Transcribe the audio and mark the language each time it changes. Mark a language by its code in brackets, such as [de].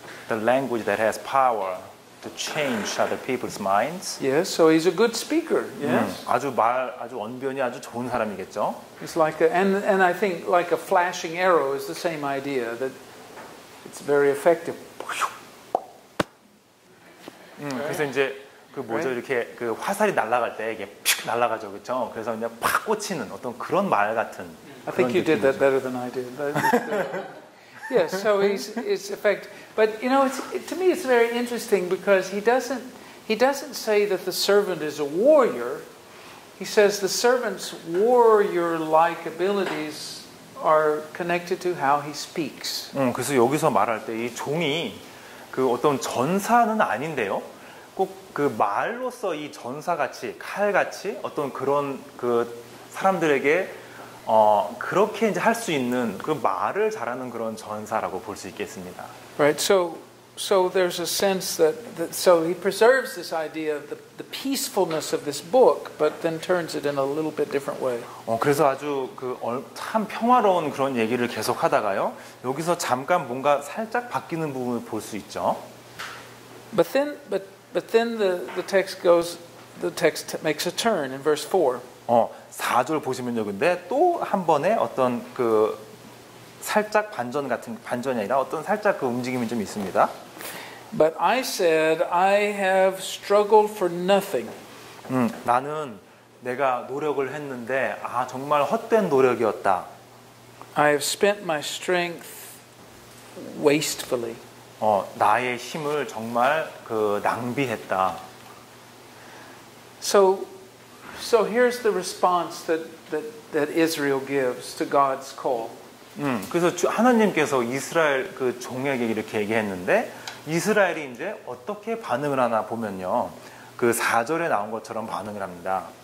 [en] The language that has power to change other people's minds. Yes, so he's a good speaker. Yes. [ko] 아주 말 아주 언변이 아주 좋은 사람이겠죠. [en] It's like and I think like a flashing arrow is the same idea that it's very effective. [ko] 그래서 이제 그 뭐죠? [en] Right? [ko] 이렇게 그 화살이 날아갈 때 이게 픽 날아가죠. 그렇죠? 그래서 그냥 팍 꽂히는 어떤 그런 말 같은 [en] I think [ko] 느낌이죠. [en] You did that better than I did. Yes, so it's effective. But you know, to me, it's very interesting because he doesn't say that the servant is a warrior. He says the servant's warrior-like abilities are connected to how he speaks. [ko] 그래서 여기서 말할 때 이 종이 그 어떤 전사는 아닌데요. 꼭 그 말로서 이 전사같이 칼같이 어떤 그런 그 사람들에게 그렇게 이제 할 수 있는 그 말을 잘하는 그런 전사라고 볼 수 있겠습니다. [en] Right. So there's a sense that so he preserves this idea of the peacefulness of this book, but then turns it in a little bit different way. [ko] 그래서 아주 그 참 평화로운 그런 얘기를 계속 하다가요. 여기서 잠깐 뭔가 살짝 바뀌는 부분을 볼 수 있죠. [en] But then the text makes a turn in verse 4. [ko] 4절 보시면요, 근데 또 한 번에 어떤 그 살짝 반전 같은 반전이 아니라 어떤 살짝 그 움직임이 좀 있습니다. [en] But I said I have struggled for nothing. [ko] 나는 내가 노력을 했는데 아 정말 헛된 노력이었다. [en] I have spent my strength wastefully. [ko] 나의 힘을 정말 그 낭비했다. [en] So here's the response that Israel gives to God's call. [ko] 그래서 하나님께서 이스라엘 그 종에게 이렇게 얘기했는데 이스라엘이 이제 어떻게 반응을 하나 보면요. 그 4절에 나온 것처럼 반응을 합니다.